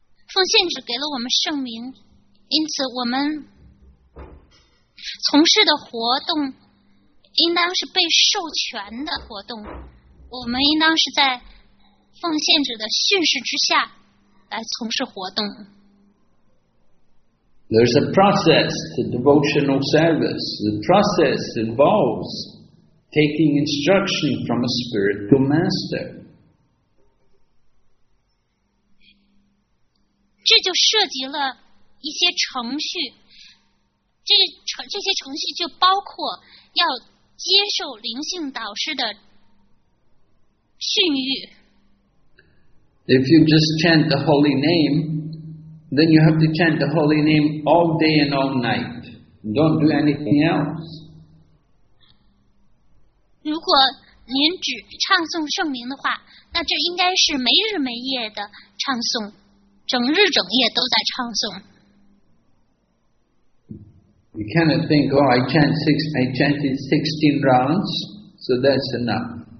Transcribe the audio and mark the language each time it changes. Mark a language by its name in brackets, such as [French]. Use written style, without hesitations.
[Chinese] 奉献者给了我们圣名，因此我们从事的活动应当是被授权的活动，我们应当是在奉献者的训示之下来从事活动。 [English] There's a process to devotional service. The process involves taking instruction from a spiritual master. [Chinese] 这就涉及了一些程序。这些程序就包括要接受灵性导师的训谕。 [English] If you just chant the holy name, then you have to chant the holy name all day and all night. Don't do anything else. [Chinese] 如果您只唱诵圣名的话，那这应该是没日没夜的唱诵，整日整夜都在唱诵。 [English] You cannot think, oh, I chanted 16 rounds, so that's enough.